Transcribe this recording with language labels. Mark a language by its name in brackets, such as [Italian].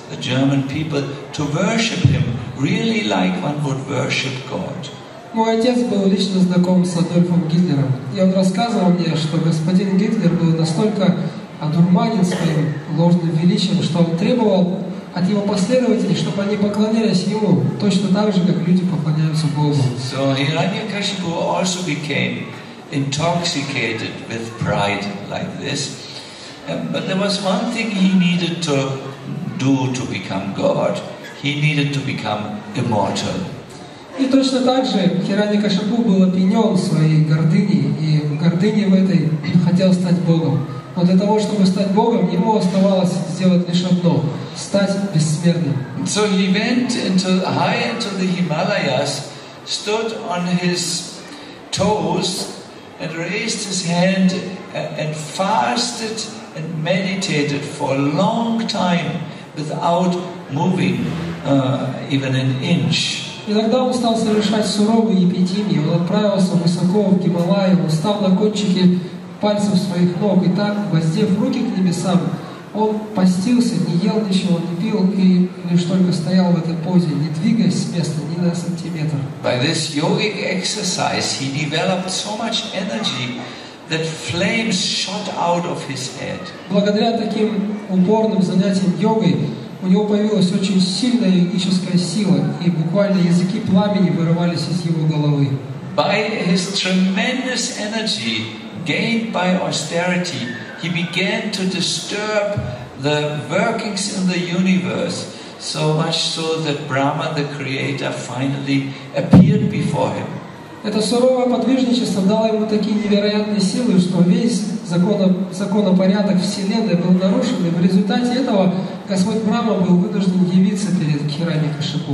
[English] the German people to worship him really like one would worship God. [Russian] Мой отец был лично знаком с Адольфом Гитлером, и он рассказывал мне, что господин Гитлер был настолько одурманен своим ложным величием, что он требовал от его последователей, чтобы они поклонялись ему точно так же, как люди поклоняются Богу. [English] So Hiranyakashipu also became intoxicated with pride like this, but there was one thing he needed to do to become God. He needed to become immortal. [Russian] И точно так же Хираньякашипу был опьянён своей гордыней, и гордыней в этой хотел стать Богом. Но для того, чтобы стать Богом, ему оставалось сделать лишь одно — стать бессмертным. [English] So he went into, high into the Himalayas, stood on his toes, and raised his hand, and fasted and meditated for a long time without moving even an inch. [Russian] И тогда он стал совершать суровые епитимии. Он отправился высоко в Гималайи, он встал на кончике пальцев своих ног, и так, воздев руки к небесам, он постился, не ел ничего, не пил, и лишь только стоял в этой позе, не двигаясь с места ни на сантиметр. [English] By this yogic exercise he developed so much energy that flames shot out of his head. [Russian] Благодаря таким упорным занятиям йогой у него появилась очень сильная йогическая сила, и буквально языки пламени вырывались из его головы. [English] By his tremendous energy gained by austerity, he began to disturb the workings in the universe, so much so that Brahma, the creator, finally appeared before him. [Russian] Это суровое подвижничество дало ему такие невероятные силы, что весь законопорядок Вселенной был нарушен, и в результате этого Господь Брама был вынужден явиться перед Хираньякашипу.